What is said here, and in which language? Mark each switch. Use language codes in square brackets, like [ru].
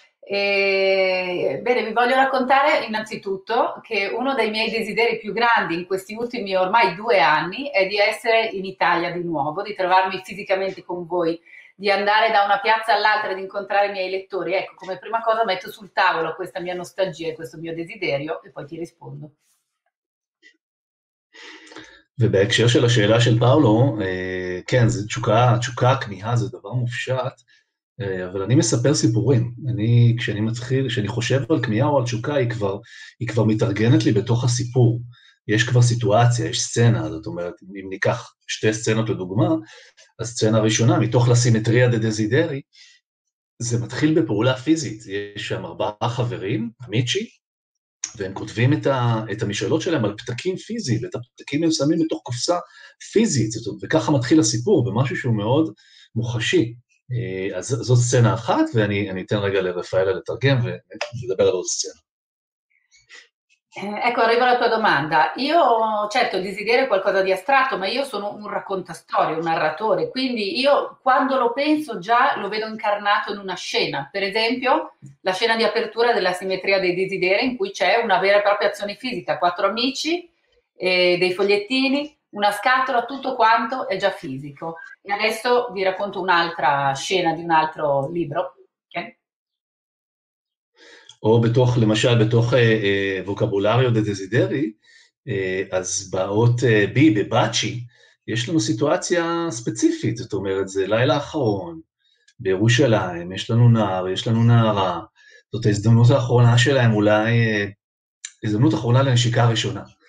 [it] Bene, vi voglio raccontare innanzitutto che uno dei miei desideri più grandi in questi ultimi ormai 2 anni è di essere in Italia di nuovo, di trovarmi fisicamente con voi, di andare da una piazza all'altra e di incontrare i miei lettori. Ecco, come prima cosa metto sul tavolo questa mia nostalgia e questo mio desiderio e poi ti rispondo. [he] ובהקשר של השאלה של פאולו, כן, זו תשוקה, כמיהה זה דבר מופשט, אבל אני מספר סיפורים. אני, כשאני מתחיל, כשאני חושב על כמיהה או על תשוקה, היא כבר מתארגנת לי בתוך הסיפור. יש כבר סיטואציה, יש סצנה, זאת אומרת, אם ניקח שתי סצנות לדוגמה, הסצנה הראשונה, מתוך לה סימטריה דה דזידרי, זה מתחיל בפעולה פיזית. יש שם 4 חברים, אמיצ'י, והם כותבים את המשאלות שלהם על פתקים פיזיים, ואת הפתקים הם שמים בתוך קופסה פיזית, וככה מתחיל הסיפור, במשהו שהוא מאוד מוחשי. אז זאת סצנה אחת, ואני אתן רגע לרפאלה לתרגם ולדבר על עוד סצנה. [it] Ecco, arrivo alla tua domanda. Io, certo, il desiderio è qualcosa di astratto, ma io sono un raccontastorio, un narratore, quindi io quando lo penso già lo vedo incarnato in una scena. Per esempio, la scena di apertura della Simmetria dei Desideri, in cui c'è una vera e propria azione fisica, 4 amici, dei fogliettini, una scatola, tutto quanto è già fisico. E adesso vi racconto un'altra scena di un altro libro. Ok? [he] או בתוך, למשל, בתוך ווקבולריו דה דזידרי, אז באות בי, בבאצ'י, יש לנו סיטואציה ספציפית, זאת אומרת, זה לילה אחרון בירושלים, יש לנו נער, יש לנו נערה, זאת ההזדמנות האחרונה שלהם, אולי הזדמנות אחרונה לנשיקה ראשונה.